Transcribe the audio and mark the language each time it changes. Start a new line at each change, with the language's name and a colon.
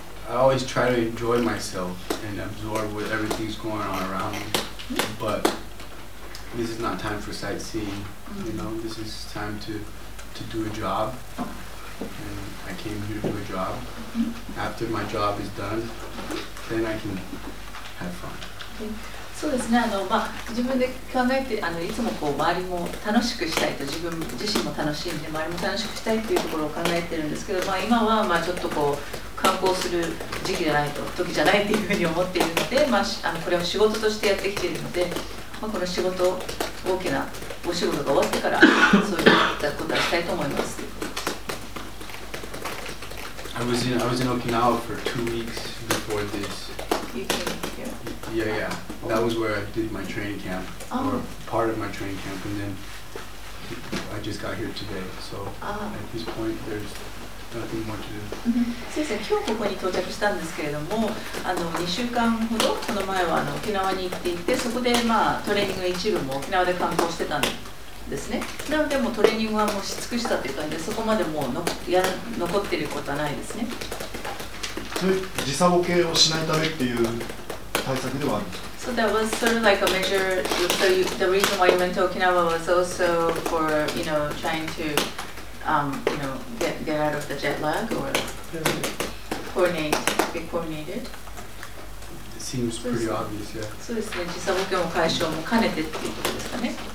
English: I always try to enjoy myself and absorb what everything's going on around me. Mm-hmm. But this is not time for sightseeing. Mm-hmm. This is time to do a job, and I came here to do a job. Mm-hmm. After my job is done, then I can have fun. Okay.
Japanese: そうですね、自分で考えて、いつも周りも楽しくしたいと、自分自身も楽しいんで、周りも楽しくしたいというところを考えてるんですけど、今は、ちょっとこう、観, 行する時期じゃないと時じゃないっていうふうに思っているので、まあ、あのこれを仕事としてやってきているので、まあ、この仕事大きなお仕事が終わってからそういったことはしたいと思います。
English: I was in Okinawa for 2 weeks before this. You came here? Yeah, yeah. That was where I did my training camp, or part of my training camp, and then I just got here today. So at this point, there's nothing more to do.
Japanese: 先生、今日ここに到着したんですけれども、あの2週間ほどこの前はあの沖縄に行っていて、そこでまあトレーニング一部も沖縄で観光してたんですね。なのでもうトレーニングはもうし尽くしたという感じで、そこまでもう残っていることはないですね。時差ボケをしないためっていう対策ではあるんですか？
English: So that was sort of like a measure. So you, the reason why you went to Okinawa was also for, you know, trying to, you know, get out of the jet lag or be coordinated. It seems pretty obvious, yeah.
Japanese: そうですね。時差ボケも解消も兼ねてっていうことですかね。